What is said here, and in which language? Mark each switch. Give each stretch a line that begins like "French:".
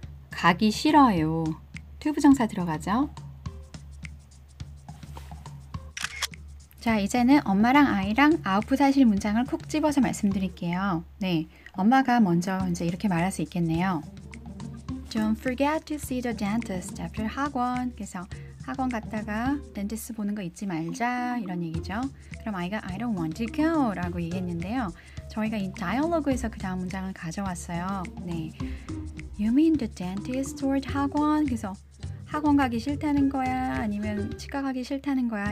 Korean: 가기 싫어요. 투부정사 들어가죠. 자, 이제는 엄마랑 아이랑 아웃풋하실 문장을 콕 집어서 말씀드릴게요. 네, 엄마가 먼저 이제 이렇게 말할 수 있겠네요.
English: Don't forget to see the dentist after 학원.
Korean: 그래서 학원 갔다가 덴티스트 보는 거 잊지 말자 이런 얘기죠. 그럼 아이가
English: I don't want to go
Korean: 라고 얘기했는데요. 저희가 이 다이얼로그에서 그 다음 문장을 가져왔어요.
English: 네, You mean the dentist or 학원?
Korean: 그래서 학원 가기 싫다는 거야? 아니면 치과 가기 싫다는 거야?